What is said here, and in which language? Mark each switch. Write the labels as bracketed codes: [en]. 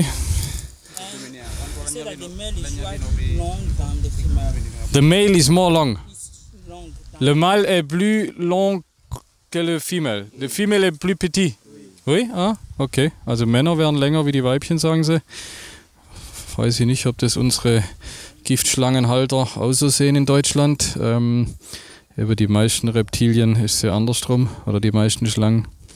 [en] He said that the male is quite long than the female. The male is more long. [fr] Le mâle est plus long que le [en] female. [fr] Le [en] female [fr] est plus petit. Oui? Ah, okay. [de] Also Männer werden länger wie die Weibchen, sagen sie. Weiß ich nicht, ob das unsere Giftschlangenhalter auch so sehen in Deutschland. Über die meisten Reptilien ist sie andersrum. Oder die meisten Schlangen.